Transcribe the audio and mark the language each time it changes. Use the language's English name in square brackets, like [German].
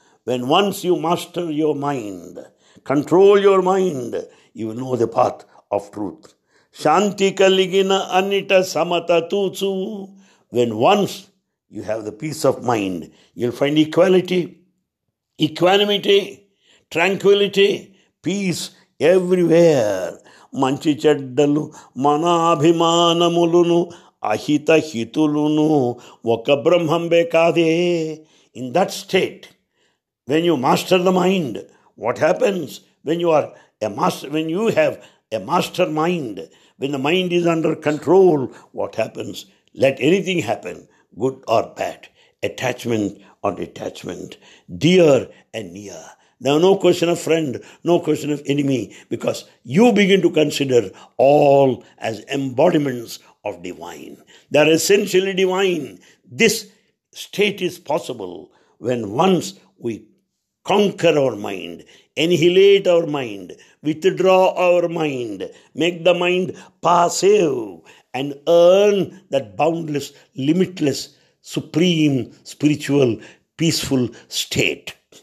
[English] When once you master your mind, control your mind, you will know the path of truth. [Telugu] Shanti kaligina anita samata tutsu. [English] When once you have the peace of mind, you'll find equality, equanimity, tranquility, peace everywhere. [Telugu] మంచి చెడ్డలు మనాభిమానములును అహిత హితులును ఒక బ్రహ్మంబే కాదే. [English] In that state when you master the mind what happens when you are a master when you have a master mind when the mind is under control what happens let anything happen good or bad attachment or detachment dear and near. There is no question of friend, no question of enemy, because you begin to consider all as embodiments of divine. They are essentially divine. This state is possible when once we conquer our mind, annihilate our mind, withdraw our mind, make the mind passive, and earn that boundless, limitless, supreme, spiritual, peaceful state.